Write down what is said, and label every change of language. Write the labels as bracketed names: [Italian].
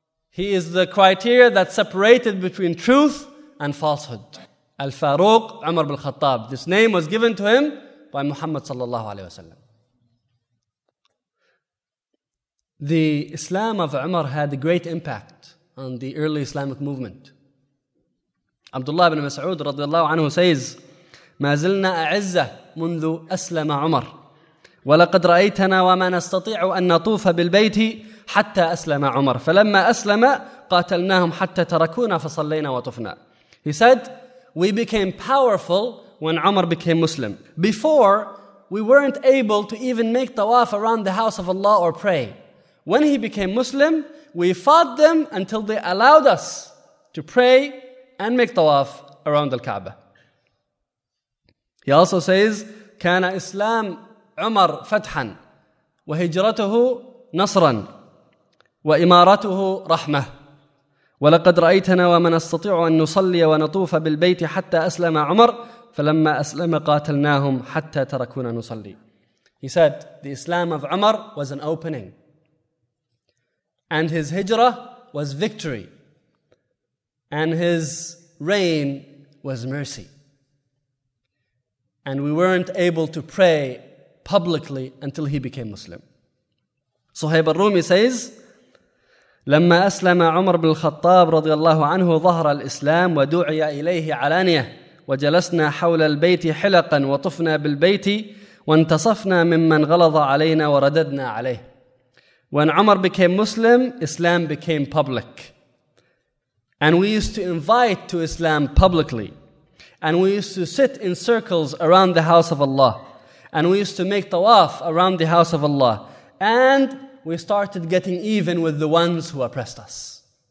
[English] He is the criteria that separated between truth and falsehood. Al-Faruq, Umar bin Khattab. This name was given to him by Muhammad sallallahu alayhi wasallam. The Islam of Umar had a great impact on the early Islamic movement. Abdullah ibn Mas'ud radiallahu anhu says, [Arabic] ما زلنا أعزة منذ أسلم عمر ولقد رأيتنا وما نستطيع أن نطوف بالبيت حتى أسلم عمر فلما أسلم قاتلناهم حتى تركونا فصلينا وطفنا. [English] He said, we became powerful when Umar became Muslim. Before, we weren't able to even make tawaf around the house of Allah or pray. When he became Muslim, we fought them until they allowed us to pray and make tawaf around Al-Kaaba. He also says, [Arabic] كان إسلام عمر فتحا وهجرته نصرا وإمارته رحمة ولقد رأيتنا ومن نستطيع أن نصلي ونطوف بالبيت حتى أسلم عمر فلما أسلم قاتلناهم حتى تركونا نصلي. [English] He said, the Islam of Umar was an opening. And his hijrah was victory. And his reign was mercy. And we weren't able to pray publicly until he became Muslim. Suhayb al-Rumi says, [Arabic] لما أسلم عمر بن الخطاب رضي الله عنه ظهر الإسلام ودعي إليه علانية وجلسنا حول البيت حلقا وطفنا بالبيت وانتصفنا ممن غلظ علينا ورددنا عليه. [English] When Umar became Muslim, Islam became public. And we used to invite to Islam publicly. And we used to sit in circles around the house of Allah. And we used to make tawaf around the house of Allah. And we started getting even with the ones who oppressed us.